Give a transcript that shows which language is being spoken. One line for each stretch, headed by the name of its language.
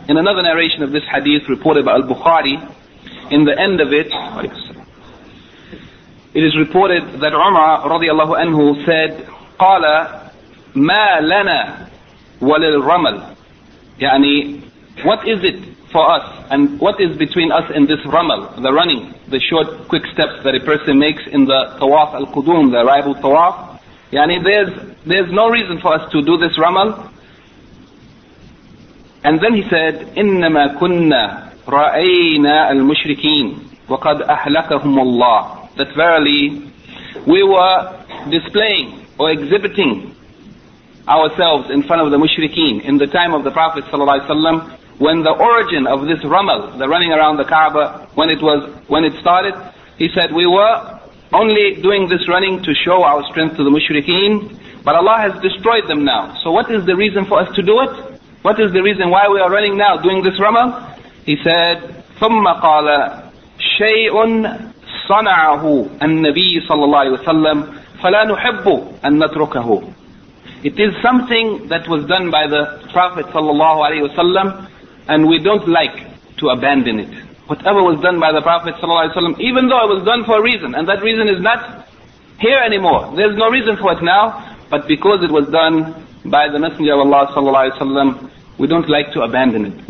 English: In another narration of this hadith reported by al-Bukhari, in the end of it, it is reported that Umar radiyallahu anhu said,
Arabic: قَالَ مَا لَنَا وَلِلْرَمَلْ.
English: يعني, what is it for us, and what is between us and this ramal, the running, the short, quick steps that a person makes in the tawaf al-qudum, the arrival tawaf, يعني there's no reason for us to do this ramal. And then he said,
Arabic: إنما كنا رأينا المشركين وقد أهلكهم الله.
English: That verily we were displaying or exhibiting ourselves in front of the mushrikeen in the time of the Prophet صلى الله عليه وسلم, when the origin of this ramal, the running around the Kaaba, when it started, he said, we were only doing this running to show our strength to the mushrikeen, but Allah has destroyed them now. So what is the reason for us to do it? What is the reason why we are running now, doing this ramal? He said,
Arabic: ثُمَّ قَالَ شَيْءٌ صَنَعَهُ النَّبِيِّ صَلَّى اللَّهِ وَسَلَّمْ فَلَا نُحِبُّ أَن نَتْرُكَهُ.
English: It is something that was done by the Prophet sallallahu alayhi wasallam, and we don't like to abandon it. Whatever was done by the Prophet sallallahu alayhi wasallam, even though it was done for a reason, and that reason is not here anymore, there's no reason for it now, but because it was done by the Messenger of Allah sallallahu alayhi wasallam, we don't like to abandon it.